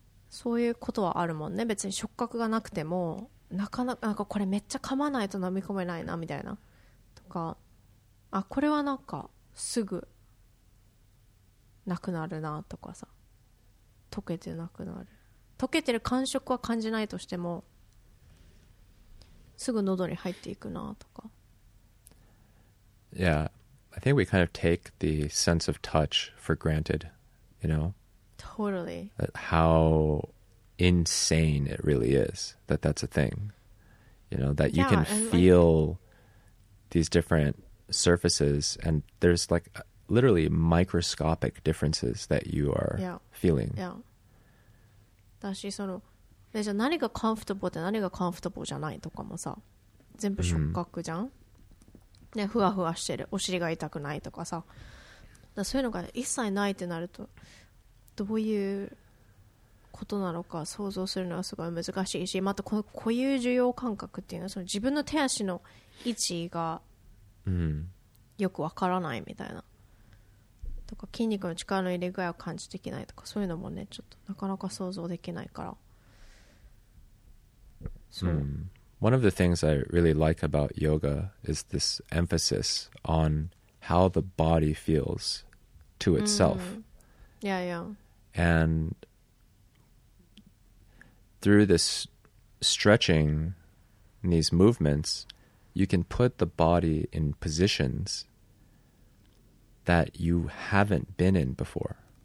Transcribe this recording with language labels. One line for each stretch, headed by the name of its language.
Japanese: そういうことはあるもんね。別に触覚がなくてもなかなか、なんかこれめっちゃ噛まないと飲み込めないなみたいな、あ、これはなんかすぐなくなるなとかさ、溶けてなくなる、溶けてる感触は感じないとしてもすぐ喉に入っていくなとか。
English: Yeah, I think we kind of take the sense of touch for granted, you know? Totally. How insane it really is that that's a thing, you know, that you can feel these different surfaces and there's like literally microscopic differences that you are feeling.
Japanese: だし、そのじゃ何がコンフォータブルで何がコンフォータブルじゃないとかもさ、全部触覚じゃん、ね、ふわふわしてる、お尻が痛くないとかさ、だそういうのが一切ないってなるとどういうことなのか想像するのはすごい難しいし、またこの固有受容感覚っていうのは、その自分の手足の位置がよくわからないみたいな、とか筋肉の力の入れ具合を感じできないとか、そういうのもね、ちょっとなかなか想像できないから。
English: So, one of the things I really like about yoga is this emphasis on how the body feels to itself. And through this stretching and these movements, you can put the body in positions that you haven't been in before.